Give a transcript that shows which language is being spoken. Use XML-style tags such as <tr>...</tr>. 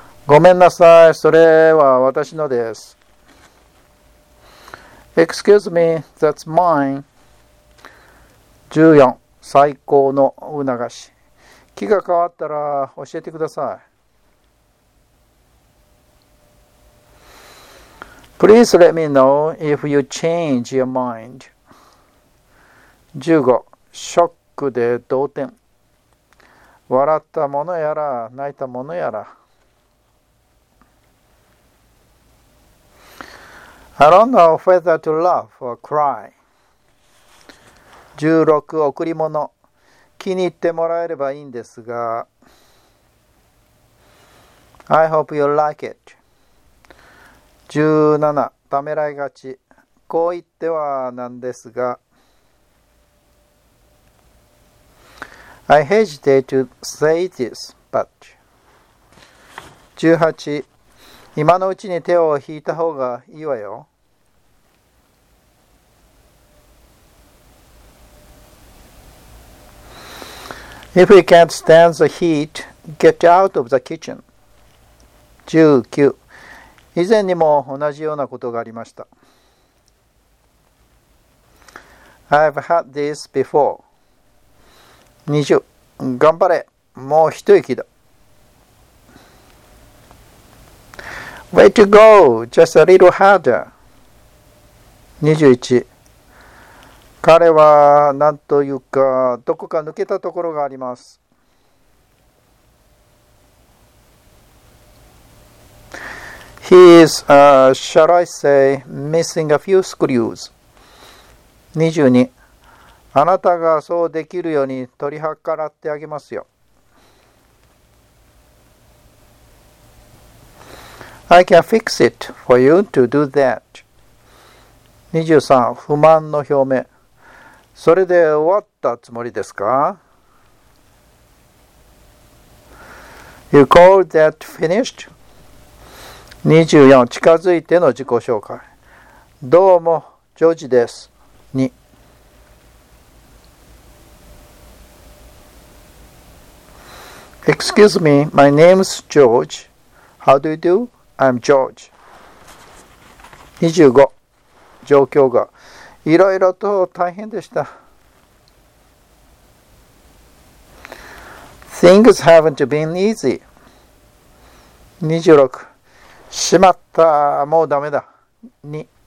<ja>ごめんなさい、それは私のです。</ja> <en>Excuse me, that's mine. 14.</en> <ja>最高の促し。気が変わったら教えてください。</ja> <en>Please let me know if you change your mind.</en> <ja>15. ショックで動転。笑ったものやら泣いたものやら。</ja> <en>I don't know whether to laugh or cry.</en> <ja>16. 贈り物。気に入ってもらえればいいんですが。</ja> <en>I hope you like it. 17.</en> <ja>ためらいがち。こう言ってはなんですが。</ja> <en>I hesitate to say this, but. 18.</en> <ja>今のうちに手を引いた方がいいわよ。</ja> <en>If you can't stand the heat, get out of the kitchen. 19.</en> <ja>以前にも同じようなことがありました。</ja> <en>I've had this before. 20.</en> <ja>頑張れ。もう一息だ。</ja> <en>Way to go. Just a little harder. 21.</en> <ja>彼は、なんというか、どこか抜けたところがあります。</ja> <en>He is, shall I say, missing a few screws. 22.</en> <ja>あなたがそうできるように取り計らってあげますよ。</ja> <en>I can fix it for you to do that.</en> <ja>23. 不満の表明。それで終わったつもりですか？</ja> <en>You call that finished? 24.</en> <ja>近づいての自己紹介。どうも、ジョージです。2.</ja> <en>Excuse me, my name's George. How do you do? I'm George. 25.</en> <ja>状況がいろいろと大変でした。</ja> <en>Things haven't been easy. 26.</en> <ja>しまった。もうダメだ。2.</ja>